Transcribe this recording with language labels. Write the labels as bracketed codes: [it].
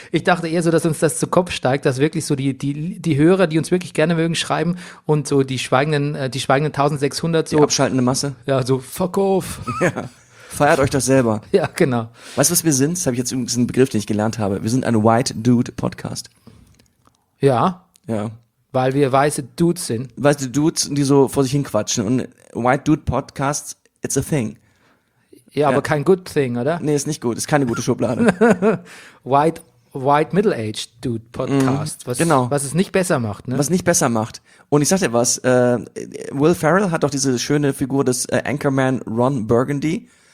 [de] Ich dachte eher so, dass uns das zu Kopf steigt, dass wirklich so die Hörer, die uns wirklich gerne mögen, schreiben und so die schweigenden 1600 so. Die abschaltende Masse. Ja, so fuck off. Ja, feiert euch das selber. Ja, genau. Weißt du, was wir sind? Das habe ich jetzt übrigens einen Begriff, den ich gelernt habe. Wir sind ein White Dude Podcast. Ja. Ja. Weil wir weiße Dudes sind. Weiße Dudes, die so vor sich hin quatschen. [en] Und White Dude Podcasts, it's a thing. [de] Ja, ja, aber kein [en] good thing, [de] oder? Nee, ist nicht gut. Ist keine gute Schublade. White Middle Aged Dude Podcast. Mm, genau. Was es nicht besser macht, ne? Was nicht besser macht. Und ich sag dir was, Will Ferrell hat doch diese schöne Figur des Anchorman Ron Burgundy.